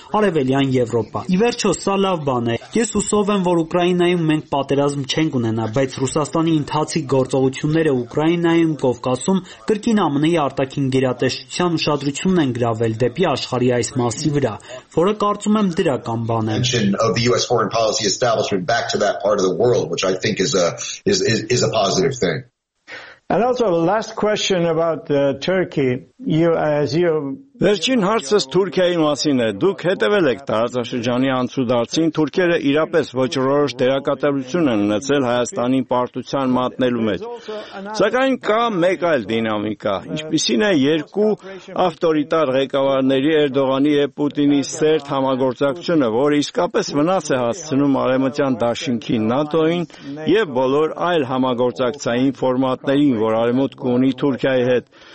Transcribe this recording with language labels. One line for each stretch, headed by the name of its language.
Armenian: Արևելյան Եվրոպա։ Իվերչո, սա լավ բան է։ Ես հուսով եմ, որ Ուկրաինայում մենք պատերազմ չենք ունենա, բայց Ռուսաստանի ընթացիկ գործողությունները Ուկրաինայում, Կովկասում կրկին ԱՄՆ-ի արտաքին գերատեսչության ուշադրությունն են գրավել դեպի աշխարհի այս մասի վրա, որը կարծում եմ դրական բան է։
English: And also the last question about Turkey, you as you
Armenian: Վերջին հարցս Թուրքիայի մասին է։ Դուք հետևել եք տարածաշրջանի անցուդարձին։ Թուրքերը իրապես ոչ որոշ դերակատարություն են ունեցել Հայաստանի պարտության մատնելու մեջ։ Սակայն կա մեկ այլ դինամիկա, ինչպիսին է երկու ավտորիտար ղեկավարների, Էրդողանի և Պուտինի սերտ համագործակցությունը, որը իսկապես վնաս է հասցնում Արևմտյան Դաշինքին, ՆԱՏՕ-ին և բոլոր այլ համագործակցային ֆորմատներին, որ Արևմուտքը ունի Թուրքիայի հետ։